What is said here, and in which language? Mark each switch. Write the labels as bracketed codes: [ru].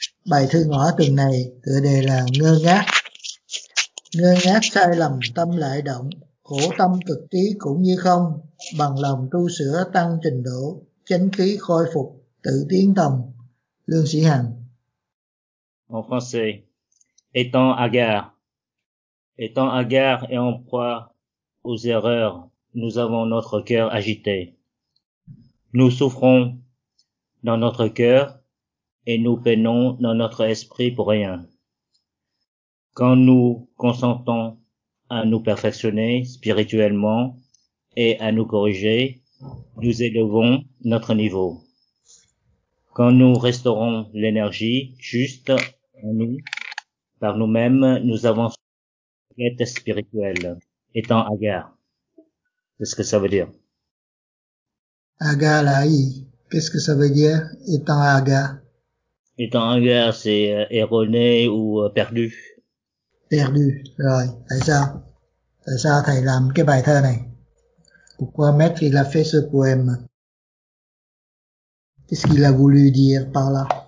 [vi] Bài thư ngõ tuần này tựa đề là Ngơ ngác. Ngơ ngác sai lầm tâm lại động, khổ tâm cực trí cũng như không, bằng lòng tu sửa tăng trình độ, chánh khí khôi phục, tự tiến tầm. Lương Sĩ Hằng. [fr] Étant hagard et en proie aux erreurs, nous avons notre cœur agité. Nous souffrons dans notre cœur et nous peinons dans notre esprit pour rien. Quand nous consentons à nous perfectionner spirituellement et à nous corriger, nous élevons notre niveau. Quand nous restaurons l'énergie juste en nous, par nous-mêmes, nous avons une quête spirituelle, étant agar. Qu'est-ce que ça veut dire? Agar, là-haut. Qu'est-ce que ça veut dire, étant agar? Étant agar, c'est erroné ou perdu. Perdu, [vi] rồi. Tại sao? Tại sao thầy làm cái bài thơ này? [fr] Pourquoi maître il a fait ce poème? Qu'est-ce qu'il a voulu dire par là?